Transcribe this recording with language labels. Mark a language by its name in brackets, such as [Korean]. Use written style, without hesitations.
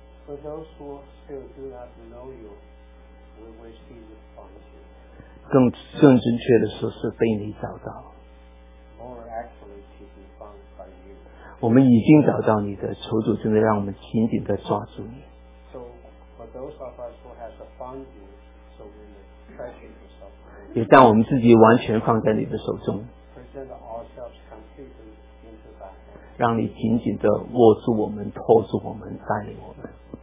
[English] For those who still do not know you, we wish he would find you. [Chinese] 更正确的说是被你找到。 [English] More actually to be found by you. [Chinese] 我们已经找到你的，求主真的让我们紧紧地抓住你。 [English] So for those of us who have found you, so we may treasure yourself. [Chinese] 也将我们自己完全放在你的手中。 [English] Present ourselves completely into God. [Chinese] 让你紧紧地握住我们，托住我们，带领我们。